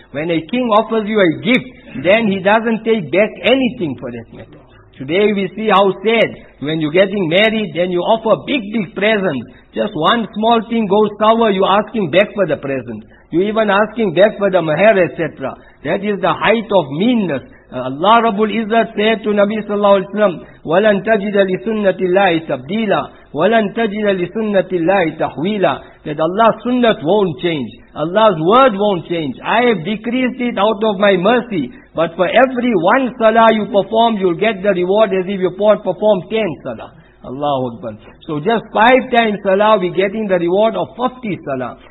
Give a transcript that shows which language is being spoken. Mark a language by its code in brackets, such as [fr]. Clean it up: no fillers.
[en] When a king offers you a gift, then he doesn't take back anything for that matter. Today we see how sad, when you're getting married, then you offer big presents. Just one small thing goes sour, you're asking back for the present. You're even asking back for the mahar, etc. That is the height of meanness. Allah Rabbul Izzat said to Nabi Sallallahu Alaihi Wasallam, [ar] وَلَنْ تَجِدَ لِسُنَّةِ اللَّهِ تَبْدِيلًا وَلَنْ تَجِدَ لِسُنَّةِ اللَّهِ تَحْوِيلًا. [en] That Allah's sunnah won't change. Allah's word won't change. I have decreased it out of my mercy. But for every one salah you perform, you'll get the reward as if you perform 10 salah. Allahu Akbar. So just 5 times salah, we're getting the reward of 50 salah.